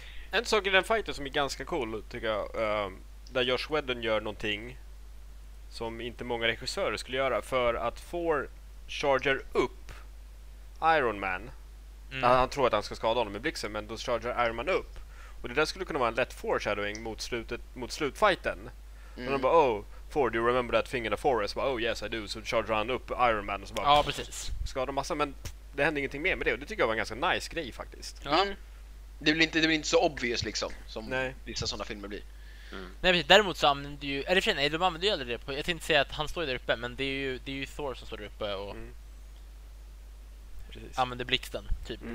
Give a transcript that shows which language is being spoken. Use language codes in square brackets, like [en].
[sv] En sak i den fighten som är ganska cool tycker jag, där Josh Whedon gör någonting som inte många regissörer skulle göra, för att Thor charger upp Iron Man. Han tror att han ska skada honom i blixten, men då charger Iron Man upp. Och det där skulle kunna vara en lätt foreshadowing mot slutfighten. Mm. Och de bara, [en] oh, Thor, do you remember that thing in the forest? [sv] Bara, [en] oh yes I do, [sv] så charger han upp Iron Man. Och så bara, ja, precis. Skadar massa, men det hände ingenting mer med det. Och det tycker jag var en ganska nice grej faktiskt. Ja. Det blir inte så obvious liksom, som vissa sådana filmer blir. Nej, precis. Däremot så använder ju, eller för sig, de använder ju aldrig det på, jag tänkte säga att han står där uppe, men det är ju Thor som står där uppe och använder blixten typ.